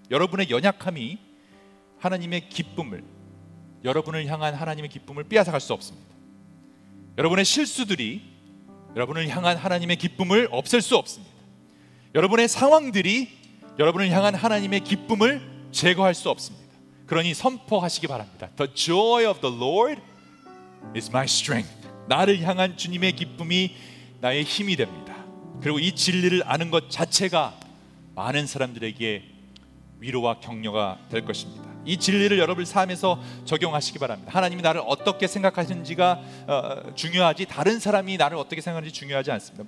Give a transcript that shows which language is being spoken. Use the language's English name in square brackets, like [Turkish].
[Korean] 여러분의 연약함이 하나님의 기쁨을, 여러분을 향한 하나님의 기쁨을 빼앗아갈 수 없습니다. 여러분의 실수들이 여러분을 향한 하나님의 기쁨을 없앨 수 없습니다. 여러분의 상황들이 여러분을 향한 하나님의 기쁨을 제거할 수 없습니다. 그러니 선포하시기 바랍니다. [English] The joy of the Lord is my strength. [Korean] 나를 향한 주님의 기쁨이 나의 힘이 됩니다. 그리고 이 진리를 아는 것 자체가 많은 사람들에게 위로와 격려가 될 것입니다. 이 진리를 여러분 삶에서 적용하시기 바랍니다. 하나님이 나를 어떻게 생각하시는지가 중요하지 다른 사람이 나를 어떻게 생각하는지 중요하지 않습니다.